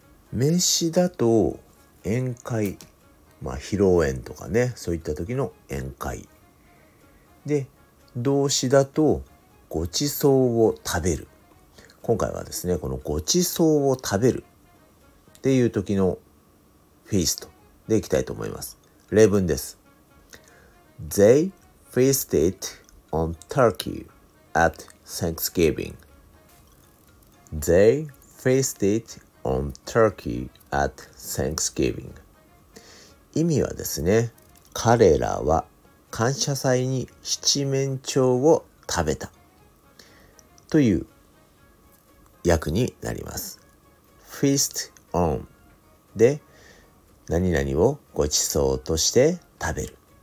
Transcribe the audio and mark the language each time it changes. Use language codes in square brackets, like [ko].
[ja] 名詞だと宴会、まあ披露宴とかね、そういった時の宴会で、動詞だとごちそうを食べる。今回はですね、このごちそうを食べるっていう時のFeast でいきたいと思います。例文です。 [en] They feasted on turkey at Thanksgiving. They feasted on turkey at Thanksgiving. [ja] 意味はですね、彼らは感謝祭に七面鳥を食べたという訳になります。 Feast on で、何々をごちそうとして食べる。